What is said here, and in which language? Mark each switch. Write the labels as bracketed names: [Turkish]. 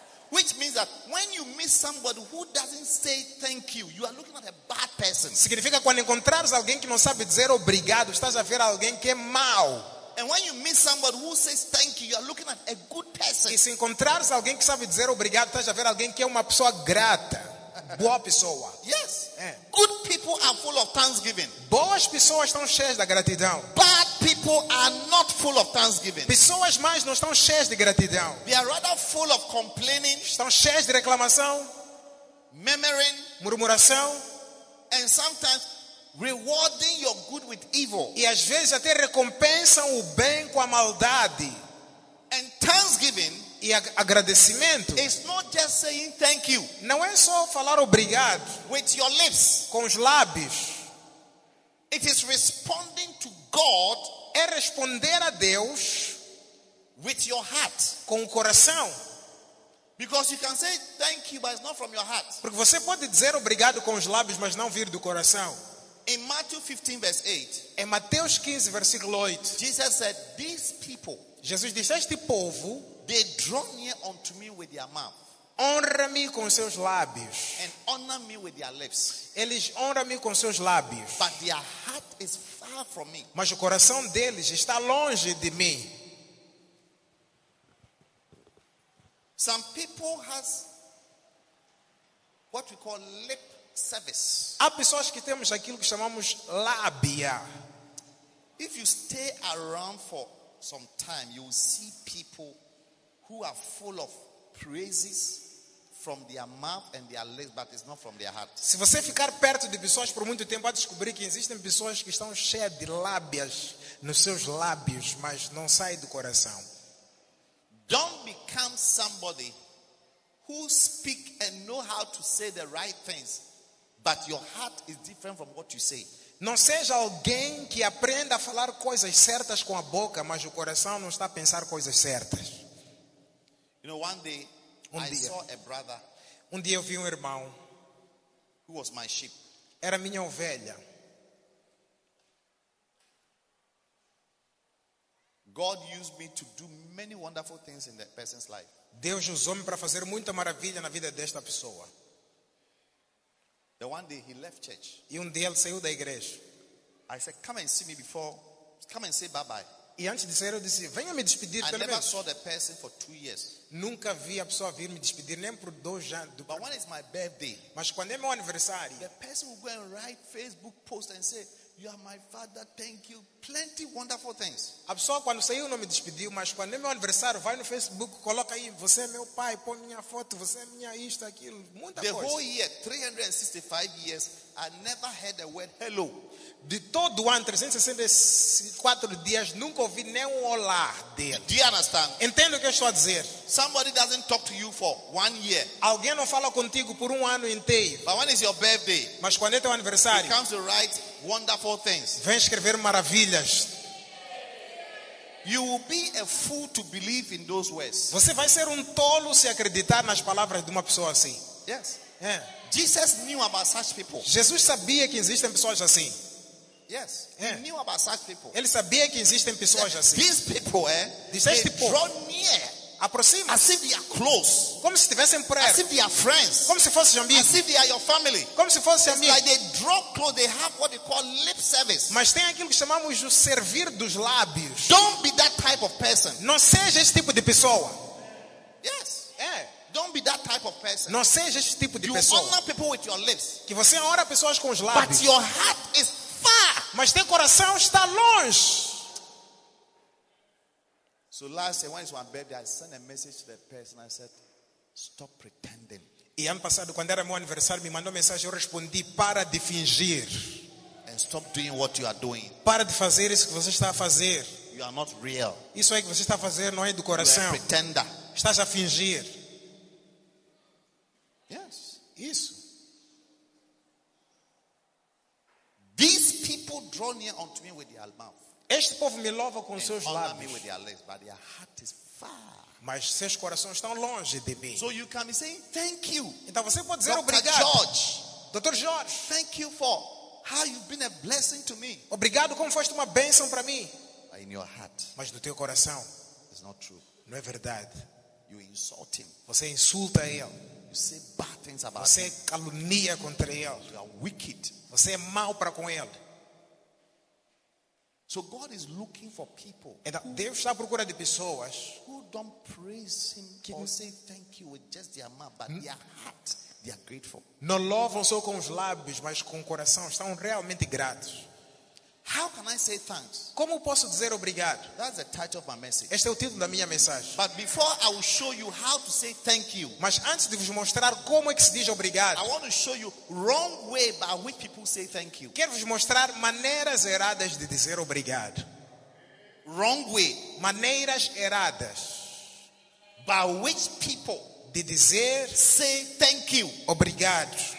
[English] Which means that when you meet somebody who doesn't say thank you are looking at a bad person. [Portuguese] Significa quando encontrares alguém que não sabe dizer obrigado, estás a ver alguém que é mau. [English] And when you meet somebody who says thank you are looking at a good person. [Portuguese] E se encontrares alguém que sabe dizer obrigado, estás a ver alguém que é uma pessoa grata. Boa pessoa. [English] Yes. Good people are full of thanksgiving. [Portuguese] Boas pessoas estão cheias da gratidão. [English] Bad people are not full of thanksgiving. [Portuguese] Pessoas más não estão cheias de gratidão. [English] They are rather full of complaining. [Portuguese] Estão cheias de reclamação. [English] Murmuring. [Portuguese] Murmuração. [English] And sometimes rewarding your good with evil. [Portuguese] E às vezes até recompensam o bem com a maldade. [English] And thanksgiving. [Portuguese] E agradecimento. [English] It's not just saying thank you. [Portuguese] Não é só falar obrigado. [English] With your lips. [Portuguese] Com os lábios. [English] It is responding to God. [Portuguese] É responder a Deus. [English] With your heart. [Portuguese] Com o coração. [English] Because you can say thank you, but it's not from your heart. [Portuguese] Porque você pode dizer obrigado com os lábios, mas não vir do coração. [English] In Matthew 15, verse 8. [Portuguese] Em Mateus 15, versículo 8. [English] Jesus said, "These people." [Portuguese] Jesus disse, este povo. [English] They draw near unto me with their mouth. [Portuguese] Honra-me com seus lábios. [English] And honor me with their lips. [Portuguese] Eles honra-me com seus lábios. [English] But their heart is far from me. [Portuguese] Mas o coração deles está longe de mim. [English] Some people has what we call lip service. [Portuguese] Há pessoas que temos aquilo que chamamos lábia. [English] If you stay around for some time, you will see people who are full of praises from their mouth and their lips, but it's not from their heart. [Portuguese] Se você ficar perto de pessoas por muito tempo, vai descobrir que existem pessoas que estão cheias de lábias nos seus lábios, mas não sai do coração. [English] Don't become somebody who speak and know how to say the right things, but your heart is different from what you say. [Portuguese] Não seja alguém que aprenda a falar coisas certas com a boca, mas o coração não está a pensar coisas certas. [English] You know, one day I saw a brother. [Portuguese] Um dia eu vi um irmão. [English] Who was my sheep? [Portuguese] Era minha ovelha. [English] God used me to do many wonderful things in that person's life. [Portuguese] Deus usou-me para fazer muita maravilha na vida desta pessoa. [English] Then one day he left church. [Portuguese] E um dia ele saiu da igreja. [English] I said, "Come and see me before. Come and say bye-bye." [Portuguese] E antes de sair, eu disse, venha me despedir pelo menos. [English] I never saw the person for 2 years. [Portuguese] Nunca vi a pessoa vir me despedir, nem por 2 anos. [English] But when is my birthday? [Portuguese] Mas quando é meu aniversário? [English] The person will go and write Facebook post and say, "You are my father, thank you." Plenty wonderful things. [Portuguese] A pessoa quando saiu não me despediu, mas quando é meu aniversário, vai no Facebook, coloca aí, você é meu pai, põe minha foto, você é minha isto, aquilo, muita [English] the [Portuguese] coisa. [English] The whole year, 365 years, I never heard a word, hello. [Portuguese] De todo ano, 364 dias, nunca ouvi nem um olá dele. [English] Do you understand? [Portuguese] Entendo o que eu estou a dizer. [English] Somebody doesn't talk to you for 1 year. [Portuguese] Alguém não fala contigo por 1 ano inteiro. [English] But when is your birthday? [Portuguese] Mas quando é teu aniversário? [English] He comes to write wonderful things. [Portuguese] Vem escrever maravilhas. [English] You will be a fool to believe in those words. [Portuguese] Você vai ser tolo se acreditar nas palavras de uma pessoa assim. [English] Yes. [Portuguese] É. [English] Jesus knew about such people. [Portuguese] Jesus sabia que existem pessoas assim. [English] Yes, he knew about such people. [Portuguese] Ele sabia que existem pessoas assim. [English] These people, draw near. [Portuguese] Aproxima. [English] As if they are close. [Portuguese] Como se estivessem perto. [English] As if they are friends. [Portuguese] Como se fossem amigos. [English] As if they are your family. [Portuguese] Como se fossem amigos. [English] Like they draw close, they have what they call lip service. [Portuguese] Mas tem aquilo que chamamos de servir dos lábios. [English] Don't be that type of person. [Portuguese] Não seja esse tipo de pessoa. [English] Yes. [Portuguese] É. [English] Don't be that type of person. [Portuguese] Não seja esse tipo de [English] you [Portuguese] pessoa. [English] You honor people with your lips. [Portuguese] Que você honra pessoas com os lábios. [English] But your heart is far. [Portuguese] Mas teu coração está longe. [English] So last year, when it was my birthday, I sent a message to the person. I said, "Stop pretending." [Portuguese] E ano passado, quando era meu aniversário, me mandou mensagem. Eu respondi, "Para de fingir." [English] And stop doing what you are doing. [Portuguese] Para de fazer isso que você está a fazer. [English] You are not real. [Portuguese] Isso aí que você está a fazer não é do coração. [English] You are a pretender. [Portuguese] Estás a fingir. [English] Yes. [Portuguese] Isso. [English] These people draw near unto me with their mouth. [Portuguese] Este povo me louva com seus lábios. [English] Me with their lips, but their heart is far. [Portuguese] Mas seus corações estão longe de mim. [English] So you can be saying, "Thank you." [Portuguese] Então você pode dizer obrigado. [English] George. Dr. George. Thank you for how you've been a blessing to me. [Portuguese] Obrigado como foste uma bênção para mim. [English] In your heart. [Portuguese] Mas no teu coração. [English] It's not true. [Portuguese] Não é verdade. [English] You insult him. [Portuguese] Você insulta ele. [English] You say bad things about [Portuguese] você [English] him. [Portuguese] Calunia contra ele. [English] You are wicked. [Portuguese] Você é mau para com ele. [English] So God is looking for people. [Portuguese] Então, Deus está procurando pessoas [English] who don't praise him or say thank you with just their mouth, but their heart, they are grateful. [Portuguese] Não louvam só com os lábios, mas com o coração, estão realmente gratos. [English] How can I say thanks? [Portuguese] Como posso dizer obrigado? [English] That's the title of my message. [Portuguese] Este é o título da minha mensagem. [English] But before I will show you how to say thank you. [Portuguese] Mas antes de vos mostrar como é que se diz obrigado. [English] I want to show you wrong way by which people say thank you. [Portuguese] Quero vos mostrar maneiras erradas de dizer obrigado. [English] Wrong way, [Portuguese] maneiras erradas [English] by which people [Portuguese] de dizer [English] say thank you. [Portuguese] Obrigado.